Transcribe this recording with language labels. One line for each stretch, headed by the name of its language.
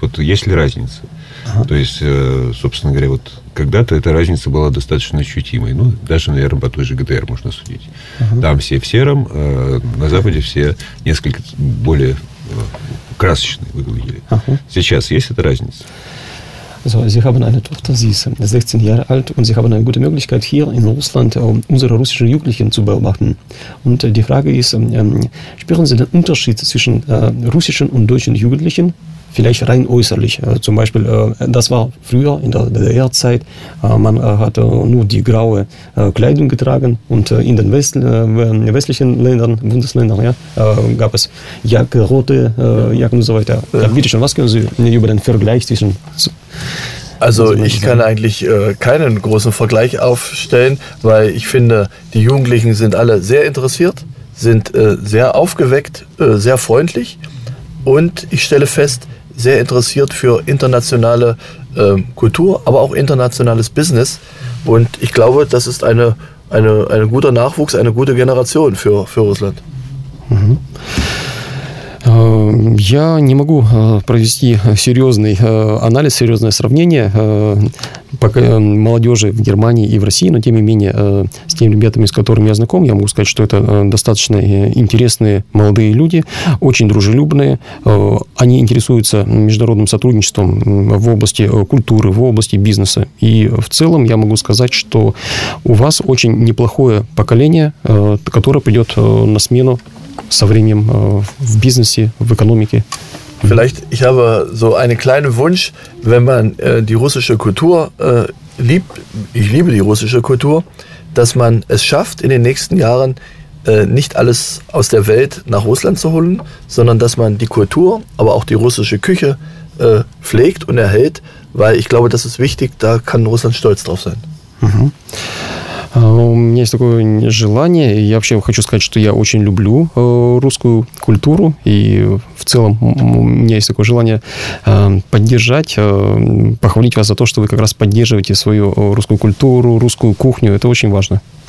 Russian: Вот есть ли разница? Ага. То есть, собственно говоря, вот когда-то эта разница была достаточно ощутимой. Ну, даже, наверное, по той же ГДР можно судить. Ага. Там все в сером, а на Западе все несколько более красочные выглядели. Ага. Сейчас есть эта разница?
German: Also, Sie haben eine Tochter, sie ist 16 Jahre alt und Sie haben eine gute Möglichkeit, hier in Russland unsere russischen Jugendlichen zu beobachten. Und die Frage ist, spüren Sie den Unterschied zwischen russischen und deutschen Jugendlichen? Vielleicht rein äußerlich. Zum Beispiel, das war früher in der DDR-Zeit. Man hat nur die graue Kleidung getragen und in den westlichen Ländern, Bundesländern, ja, gab es Jacke, rote Jacken und so weiter. Ja. Bitte schön, was können Sie über den Vergleich zwischen... Also ich kann eigentlich keinen großen Vergleich aufstellen, weil ich finde, die Jugendlichen sind alle sehr interessiert, sind sehr aufgeweckt, sehr freundlich und ich stelle fest, sehr interessiert für internationale Kultur, aber auch internationales Business. Und ich glaube, das ist ein guter Nachwuchs, eine gute Generation für Russland. Mhm.
Russian: Я не могу провести серьезный анализ, серьезное сравнение молодежи в Германии и в России, но тем не менее, с теми ребятами, с которыми я знаком, я могу сказать, что это достаточно интересные молодые люди, очень дружелюбные, они интересуются международным сотрудничеством в области культуры, в области бизнеса. И в целом я могу сказать, что у вас очень неплохое поколение, которое придет на смену со временем в бизнесе, в экономике.
German: Vielleicht, ich habe so einen kleinen Wunsch, wenn man die russische Kultur liebt, ich liebe die russische Kultur, dass man es schafft, in den nächsten Jahren nicht alles aus der Welt nach Russland zu holen, sondern dass man die Kultur, aber auch die russische Küche pflegt und erhält, weil ich glaube, das ist wichtig, da kann Russland stolz drauf sein. Mhm.
Russian: У меня есть такое желание, я вообще хочу сказать, что я очень люблю русскую культуру, и в целом у меня есть такое желание поддержать, похвалить вас за то, что вы как раз поддерживаете свою русскую культуру, русскую кухню, это очень важно.